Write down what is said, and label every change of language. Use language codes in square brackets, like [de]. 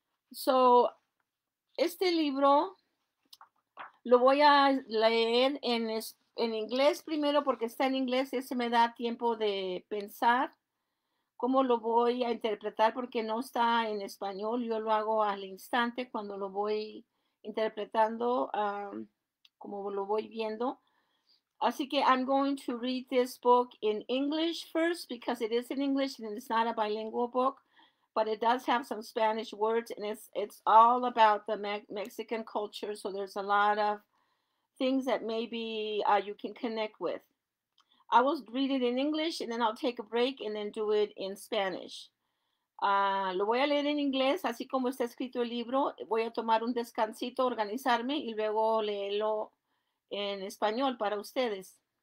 [es] So, este libro lo voy a leer en inglés primero porque está en inglés y ese me da tiempo de pensar cómo lo voy a interpretar porque no está en español. Yo lo hago al instante cuando lo voy interpretando. Como lo voy viendo. Así que [en] I'm going to read this book in English first because it is in English and it's not a bilingual book, but it does have some Spanish words and it's all about the Mexican culture. So there's a lot of things that maybe you can connect with. I will read it in English and then I'll take a break and then do it in Spanish. [es] Lo voy a leer en inglés, así como está escrito el libro. Voy a tomar un descansito, organizarme y luego leerlo en español para ustedes.